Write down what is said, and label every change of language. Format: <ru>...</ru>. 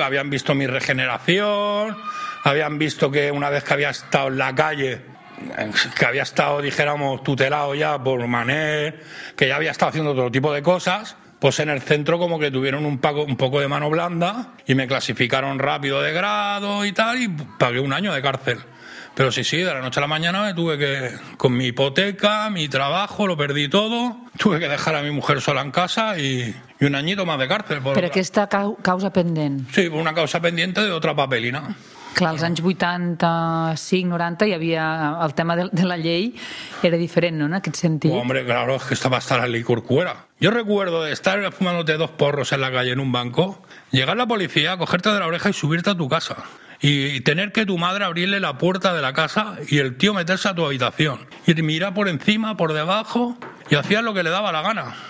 <es>Habían visto mi regeneración, habían visto que una vez que había estado en la calle, que había estado, dijéramos, tutelado ya por Manel, que ya había estado haciendo otro tipo de cosas, pues en el centro como que tuvieron un poco de mano blanda y me clasificaron rápido de grado y tal, y pagué 1 año de cárcel. Pero sí, de la noche a la mañana me tuve que, con mi hipoteca, mi trabajo, lo perdí todo, tuve que dejar a mi mujer sola en casa y 1 añito más de cárcel.</es> <ca>Pero que esta causa pendent.</ca> <es>Sí, una causa pendiente de otra papelina.</es> <ca>Clar, als anys 85, 90 hi havia el tema de la llei, era diferent, no, en aquest sentit?</ca> <es>Hombre, claro, es que estaba hasta la licor cuera. Yo recuerdo de estar fumándote 2 porros en la calle en un banco, llegar la policía, cogerte de la oreja y subirte a tu casa. Y tener que tu madre abrirle la puerta de la casa y el tío meterse a tu habitación. Y mirar por encima, por debajo, y hacía lo que le daba la gana.</es>